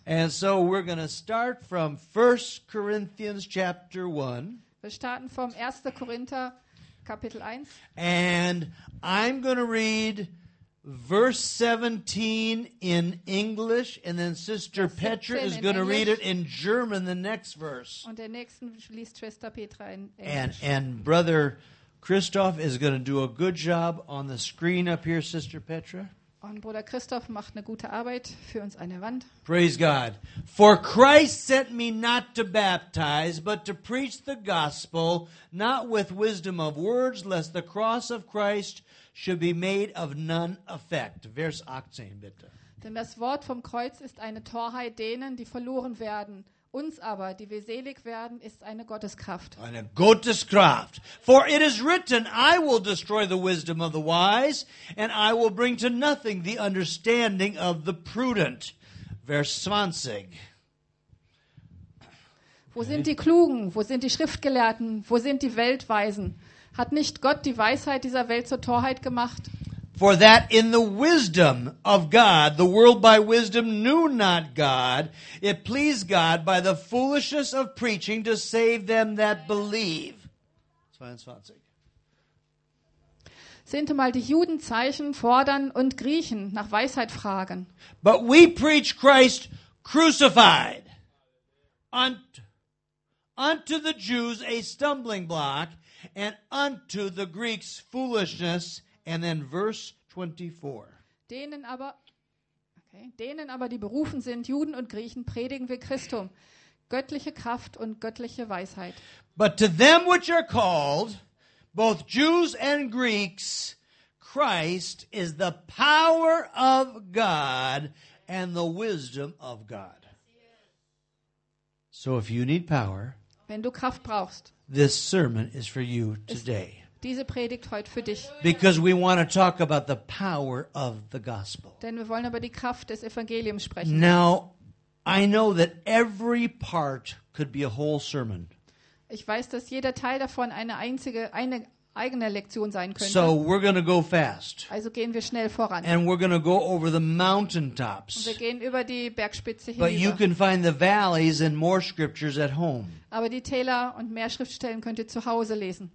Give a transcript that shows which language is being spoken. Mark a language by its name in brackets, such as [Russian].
[English] And so we're going to start from 1 Corinthians chapter 1. [German] Wir starten vom 1. Korinther Kapitel 1. [English] And I'm going to read verse 17 in English, and then Sister Petra is going to read it in German, the next verse. [German] Und der nächsten liest Schwester Petra in Englisch. [English] And Brother Christoph is going to do a good job on the screen up here, Sister Petra. [German] Und Bruder Christoph macht eine gute Arbeit für uns eine Wand. [English] Praise God. For Christ sent me not to baptize, but to preach the gospel, not with wisdom of words, lest the cross of Christ should be made of none effect. [German] Vers 18, bitte. Denn das Wort vom Kreuz ist eine Torheit denen, die verloren werden. Uns aber, die wir selig werden, ist eine Gotteskraft. Eine Gotteskraft. [English] For it is written, I will destroy the wisdom of the wise, and I will bring to nothing the understanding of the prudent. [German] Vers 20. Wo sind die Klugen? Wo sind die Schriftgelehrten? Wo sind die Weltweisen? Hat nicht Gott die Weisheit dieser Welt zur Torheit gemacht? [English] For that in the wisdom of God, the world by wisdom knew not God, it pleased God by the foolishness of preaching to save them that believe. [German] 22. Sehnt mal die Juden Zeichen fordern und Griechen nach Weisheit fragen. [English] But we preach Christ crucified, unto the Jews a stumbling block, and unto the Greeks foolishness. And then verse 24. [German] Denen aber, die berufen sind, Juden und Griechen, predigen wir Christum, göttliche Kraft und göttliche Weisheit. [English] But to them which are called, both Jews and Greeks, Christ is the power of God and the wisdom of God. So if you need power, [German] wenn du Kraft brauchst, [English] this sermon is for you today. [German] Diese Predigt heute für dich. [English] Because we want to talk about the power of the gospel. [German] Denn wir wollen über die Kraft des Evangeliums sprechen. [English] Now, I know that every part could be a whole sermon. [German] Ich weiß, dass jeder Teil davon eine eigene Lektion sein könnte. [English] So we're going to go fast. [German] Also gehen wir schnell voran. [English] And we're going to go over the mountaintops. [German] Und wir gehen über die Bergspitze hinüber. [English] But you can find the valleys and more scriptures at home. [German] Aber die Täler und mehr Schriftstellen könnt ihr zu Hause lesen.